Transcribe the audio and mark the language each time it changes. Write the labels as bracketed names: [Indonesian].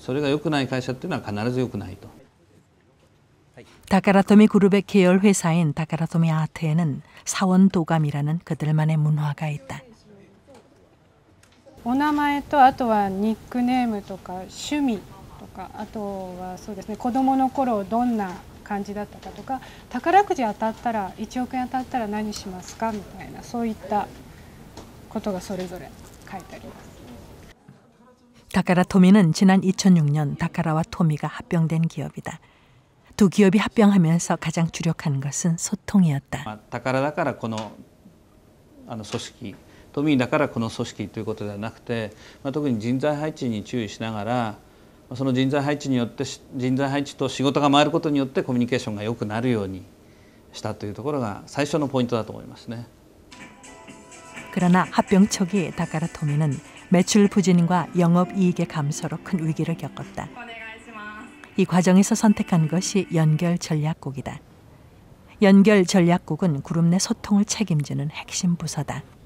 [Japanese] それも一人で動くということではなくて組織チームで動くということなのでそういった意味ではそのチームがコミュニケーションが活発意思疎通がきちっとされてて動いていくっていうのは重要というか大前提というんですかねそれが良くない会社っていうのは必ず良くないと。 [Korean] 다카라토미 그룹의 계열 회사인 다카라토미 아트에는 사원 도감이라는 그들만의 문화가 있다. [Japanese] お名前とあとはニックネームとか趣味とかあとはそうですね子供の頃どんな感じだったかとか宝くじ当たったら1億円当たったら何しますかみたいなそういったことがそれぞれ書いてあります。 [Korean] 다카라 토미는 지난 2006년 다카라와 토미가 합병된 기업이다. 두 기업이 합병하면서 가장 주력한 것은 소통이었다. [Japanese] 다카라だからこの組織 トミーだからこの組織ということではなくて、特に人材配置に注意しながら、その人材配置によって人材配置と仕事が回ることによってコミュニケーションが良くなるようにしたというところが最初のポイントだと思いますね。 [Korean] 그러나 합병 초기 다카라 토미는 매출 부진과 영업 이익의 감소로 큰 위기를 겪었다. 이 과정에서 선택한 것이 연결 전략국이다. 연결 전략국은 그룹 내 소통을 책임지는 핵심 부서다.